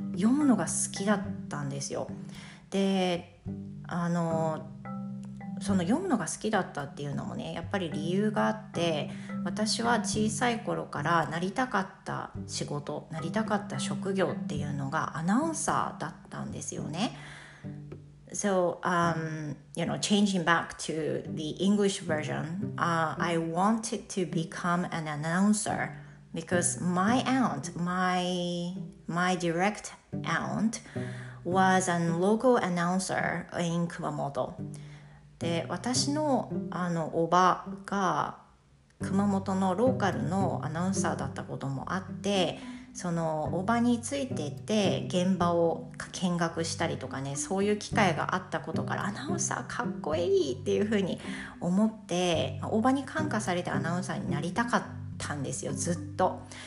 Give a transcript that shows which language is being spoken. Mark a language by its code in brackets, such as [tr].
[ja] 読むのが好きだったんですよ。で、その読むのが好きだったっていうのもね、やっぱり理由があって、私は小さい頃からなりたかった仕事、なりたかった職業っていうのがアナウンサーだったんですよね。 [en] So, you know, changing back to the English version, I wanted to become an announcer because my aunt, my direct aunt, was a local announcer in Kumamoto. [ja] で、私の、おばが熊本のローカルのアナウンサーだったこともあって、そのおばについてて現場を見学したりとかね、そういう機会があったことから、アナウンサーかっこいいっていう風に思って、おばに感化されてアナウンサーになりたかったんですよ、ずっと。